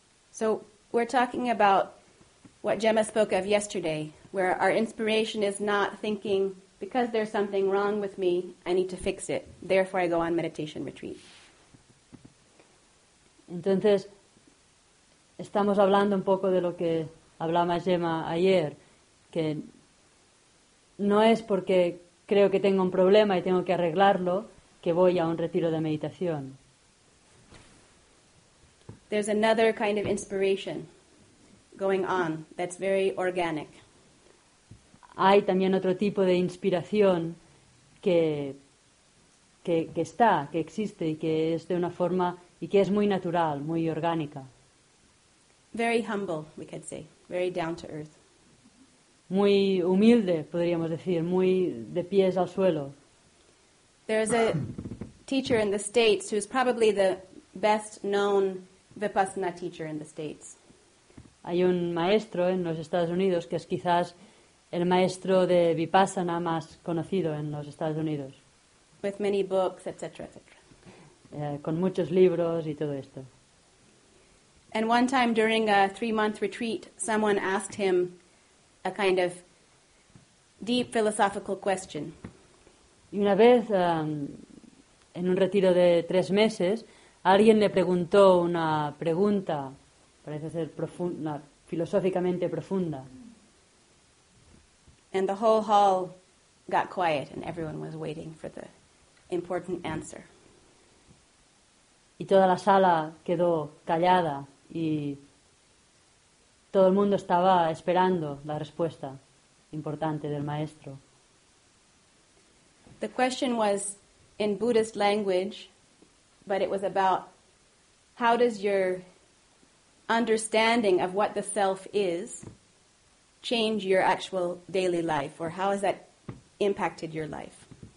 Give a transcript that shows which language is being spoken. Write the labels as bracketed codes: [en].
[en] So we're talking about what Gemma spoke of yesterday, where our inspiration is not thinking, because there's something wrong with me, I need to fix it, therefore I go on meditation retreat. [es] Entonces, estamos hablando un poco de lo que hablaba Gemma ayer, que no es porque creo que tengo un problema y tengo que arreglarlo que voy a un retiro de meditación. [en] There's another kind of inspiration going on that's very organic. [es] Hay también otro tipo de inspiración que está, que existe y que es de una forma y que es muy natural, muy orgánica. [en] Very humble, we could say, very down to earth. [es] Muy humilde, podríamos decir, muy de pies al suelo. [en] There's a teacher in the States who's probably the best known Vipassana teacher in the States. [es] Hay un maestro en los Estados Unidos que es quizás el maestro de Vipassana más conocido en los Estados Unidos. [en] With many books, etc., etc. [es] Con muchos libros y todo esto. [en] And one time during a 3-month retreat, someone asked him a kind of deep philosophical question. [es] Y una vez, en un retiro de 3 meses, alguien le preguntó una pregunta, parece ser profunda, filosóficamente profunda. [en] And the whole hall got quiet and everyone was waiting for the important answer. [es] Y toda la sala quedó callada y todo el mundo estaba esperando la respuesta importante del maestro. [en] The question was in Buddhist language, but it was about how does your understanding of what the self is change your actual daily life, or how has that impacted your life?